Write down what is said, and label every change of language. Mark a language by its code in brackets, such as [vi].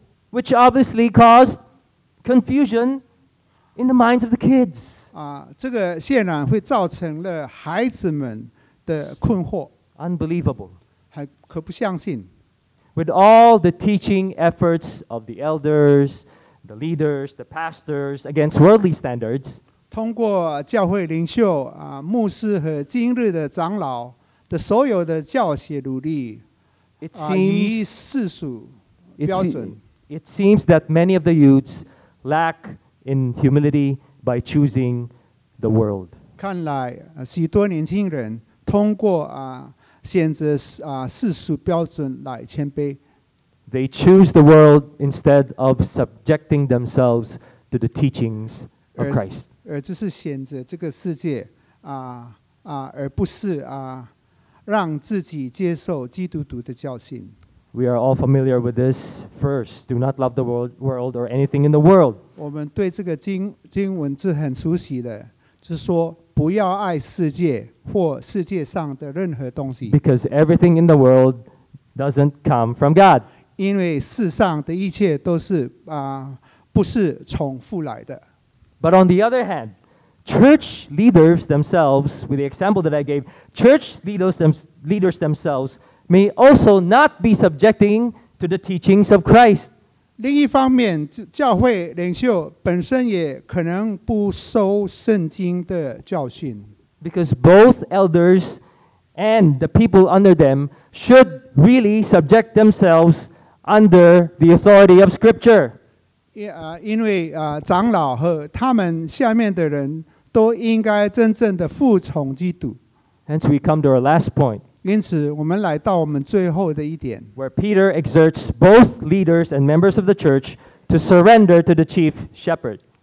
[en] Which obviously caused confusion in the minds of the kids. [zh] 这个显然会造成了孩子们的困惑。 [en] Unbelievable. [zh] 还可不相信。 [en] With all the teaching efforts of the elders, the leaders, the pastors against worldly standards, [zh] 通过教会领袖牧师和今日的长老的所有的教学努力，以世俗标准 [en] ，It seems that many of the youths lack in humility by choosing the world. [zh] 看来许多年轻人通过选择世俗标准来谦卑。 [en] They choose the world instead of subjecting themselves to the teachings of Christ. [zh] 而就是选择这个世界而不是让自己接受基督徒的教训。 [en] We are all familiar with this verse. Do not love the world or anything in the world. [zh] 我们对这个经文是很熟悉的，就是说。不要爱世界或世界上的任何东西。 [en] Because everything in the world doesn't come from God. [zh] 因为世上的一切都是不是从父来的。 [en] But on the other hand, church leaders themselves, with the example that I gave, church leaders themselves may also not be subjecting to the teachings of Christ. [zh] 另一方面，教会领袖本身也可能不受圣经的教训。 [en] Because both elders and the people under them should really subject themselves under the authority of Scripture. [zh] 因为长老和他们下面的人都应该真正的服从基督。 [en] Hence, we come to our last point. [zh] 因此我们来到我们最后的一点 [en] where Peter exerts both leaders and members of the church to surrender to the chief shepherd.